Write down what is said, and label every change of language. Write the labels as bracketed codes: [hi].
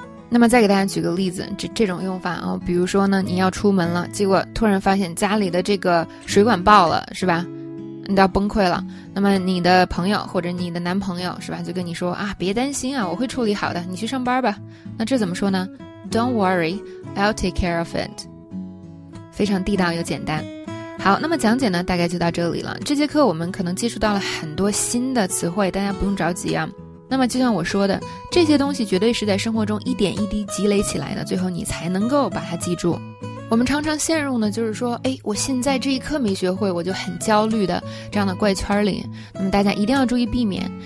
[zh] 那么再给大家举个例子，这种用法哦，比如说呢你要出门了，结果突然发现家里的这个水管爆了是吧，你都要崩溃了。那么你的朋友或者你的男朋友是吧，就跟你说啊，别担心啊，我会处理好的，你去上班吧。那这怎么说呢？ [en] Don't worry, I'll take care of it。 [zh] 非常地道又简单。好，那么讲解呢大概就到这里了。这节课我们可能接触到了很多新的词汇，大家不用着急啊。那么就像我说的，这些东西绝对是在生活中一点一滴积累起来的，最后你才能够把它记住。我们常常陷入呢，就是说哎，我现在这一刻没学会我就很焦虑的这样的怪圈里，那么大家一定要注意避免。